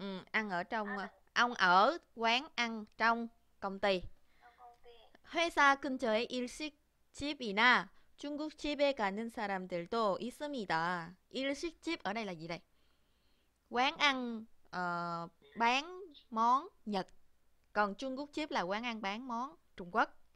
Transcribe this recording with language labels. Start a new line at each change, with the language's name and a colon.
Vietnamese: Ăn ở trong ông ở quán ăn trong công ty.
Korean: 회사 근처에 일식집이나 중국집에 가는 사람들도 있습니다.
Vietnamese: 일식집 ở đây là gì đây? Quán ăn bán món Nhật. Còn Trung Quốc chip là quán ăn bán món Trung Quốc.